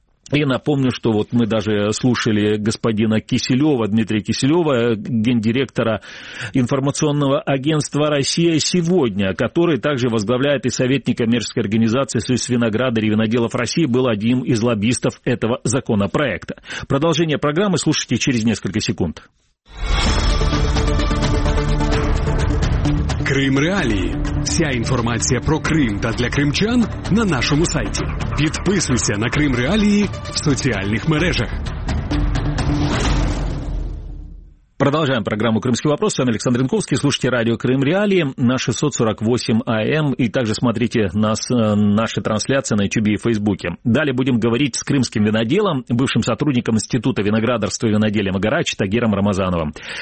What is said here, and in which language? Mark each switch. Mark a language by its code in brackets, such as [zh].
[ru] И напомню, что вот мы даже слушали господина Киселева, Дмитрия Киселева, гендиректора информационного агентства «Россия сегодня», который также возглавляет и совет некоммерческой организации «Союз винограда и виноделов России», был одним из лоббистов этого законопроекта. Продолжение программы слушайте через несколько секунд. [uk] Крим реалії. Вся інформація про Крим та для кримчан на нашому сайті. Підписуйся на Крим реалії в соціальних мережах. [ru] Продолжаем программу «Крымский вопрос». С вами Александр Янковский. Слушайте радио «Крым Реалии» на 648 АМ. И также смотрите нас, наши трансляции на YouTube и Фейсбуке. Далее будем говорить с крымским виноделом, бывшим сотрудником Института виноградарства и виноделия Магарач Тагиром Рамазановым.